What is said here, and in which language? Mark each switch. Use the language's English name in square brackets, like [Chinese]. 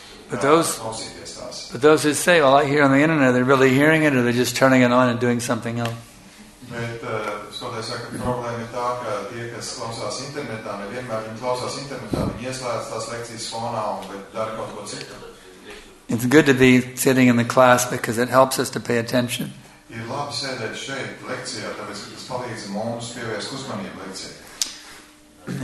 [English] But those who say, well, I hear on the internet, they're really hearing it, or they're just turning it on and doing something else. [Latvian] Bet, saka, problēma ir tā, ka tie, kas klausās internetā, ne vienmēr viņi klausās internetā, viņi ieslēdz tās lekcijas fonā un bet dara kaut ko citu. [English] It's good to be sitting in the class because it helps us to pay attention. [Latvian] Ir labi sēdēt šeit lekcijā, tāpēc, ka tas palīdz mums pievērst uzmanību lekcijā.